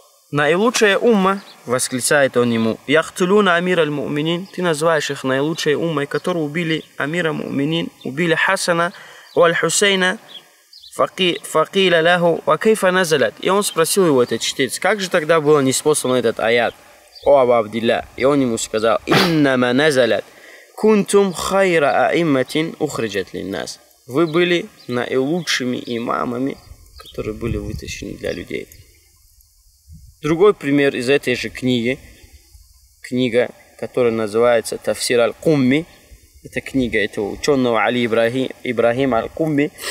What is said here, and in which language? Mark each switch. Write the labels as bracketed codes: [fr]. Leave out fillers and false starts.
[ru] «Наилучшая умма», восклицает он ему, [ar] «яхтулюна амира аль-муминин», [ru] ты называешь их наилучшей уммой, которые убили амира муминин, убили Хасана и Аль-Хусейна, [ar] فَقِيلَ لَهُ وَكَيْفَ نَزَلَتْ. [ru] И он спросил его, этот чтец, как же тогда было ниспослан этот аят, о Абу Абдилля? И он ему сказал: [ar] «إِنَّمَا نَزَلَتْ كُنْتُمْ خَيْرَ أَئِمَّةٍ أُخْرِجَتْ لِلنَّاسِ». [ru] Вы были наилучшими имамами, которые были вытащены для людей. Другой пример из этой же книги, книга, которая называется «Тафсир Аль-Кумми», это книга этого ученого Али Ибрахим Аль-Кумми.